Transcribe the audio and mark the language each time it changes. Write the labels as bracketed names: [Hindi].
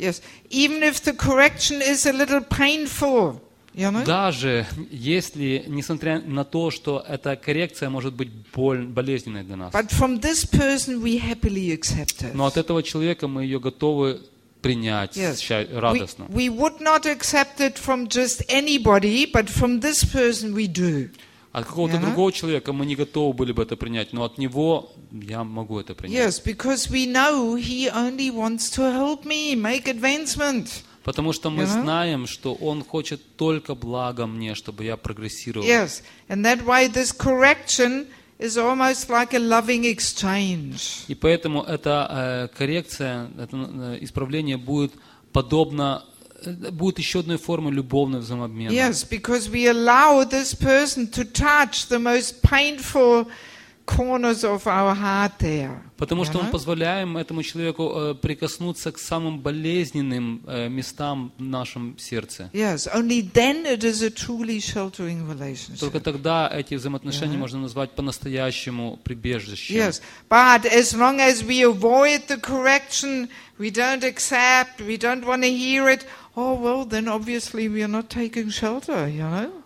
[English] Yes, even if the correction is a little painful. [Russian] Даже если, несмотря на то, что эта коррекция может быть болезненной для нас. [English] But from this person we happily accept it. [Russian] Но от этого человека мы ее готовы принять радостно. [English] We would not accept it from just anybody, but from this person we do. [Russian] От какого-то другого человека мы не готовы были бы это принять, но от него я могу это принять. [English] Yes, because we know he only wants to help me make advancement. [Russian] Потому что мы знаем, что он хочет только блага мне, чтобы я прогрессировал. [English] Yes, and that why this correction is almost like a loving exchange. [Russian] И поэтому эта коррекция, это исправление будет подобно, будет еще одной формой любовного взаимообмена. [English] Yes, because we allow this person to touch the most painful corners of our heart there. [Russian] Потому что мы позволяем этому человеку прикоснуться к самым болезненным местам в нашем сердце. [English] Yes, only then it is a truly sheltering relationship. [Russian] Только тогда эти взаимоотношения можно назвать по-настоящему прибежищем. [English] Yes, but as long as we avoid the correction, we don't accept, we don't want to hear it, oh well, then obviously we are not taking shelter, you know?